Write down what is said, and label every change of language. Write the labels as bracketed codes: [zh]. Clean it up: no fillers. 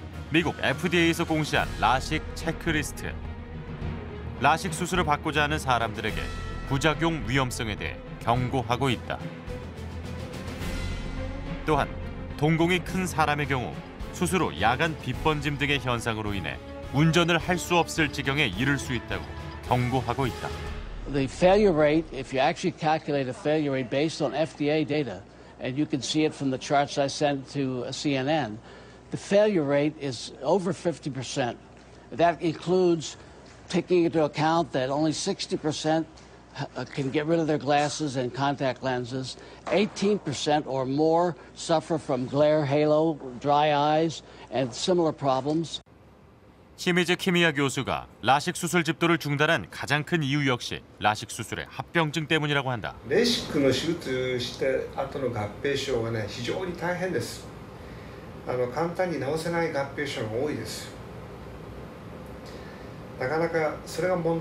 [ko] 미국 FDA에서 공시한 라식 체크리스트. 라식 수술을 받고자 하는 사람들에게 부작용 위험성에 대해 경고하고 있다. 또한 동공이 큰 사람의 경우 수술 후 야간 빛번짐 등의 현상으로 인해 운전을 할 수 없을 지경에 이를 수 있다고 경고하고 있다. [en] The failure rate, if you actually calculate a failure rate based on FDA data, and you can see it from the charts I sent to CNN, the failure rate is over 50%. That includes taking into account that only 60% can get rid of their glasses and contact lenses, 18% or more suffer from glare halo, dry eyes, and similar problems. [ko] 히미즈 키미야 교수가 라식 수술 집도를 중단한 가장 큰 이유 역시 라식 수술의 합병증 때문이라고 한다. 라식의 수술 합병증은 굉장히 힘들어요. 간단히 나오지 않은 합병증이 많아요. 그게 문제예요.